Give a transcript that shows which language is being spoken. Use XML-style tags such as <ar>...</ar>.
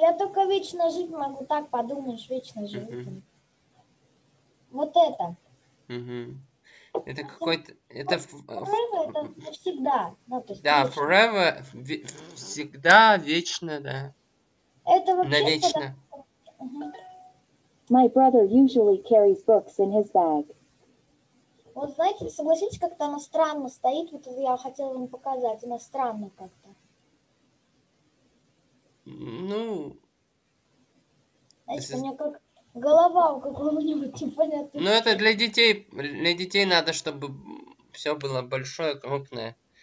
<ru>Я только вечно жить могу. Так подумаешь, вечно живу. Вот это. Это какой-то... Это forever, это навсегда. Ну, то есть да, вечно. Forever, всегда, вечно, да. Это вообще... Навечно.</ru> <en>My brother usually carries books in his bag.</en> <ru>Вот знаете, согласитесь, как-то оно странно стоит. Вот я хотела вам показать. Оно странно как-то. Ну... Знаете, у меня как... Голова у какого-нибудь непонятного. Ну, это для детей. Для детей надо, чтобы все было большое, крупное.</ru>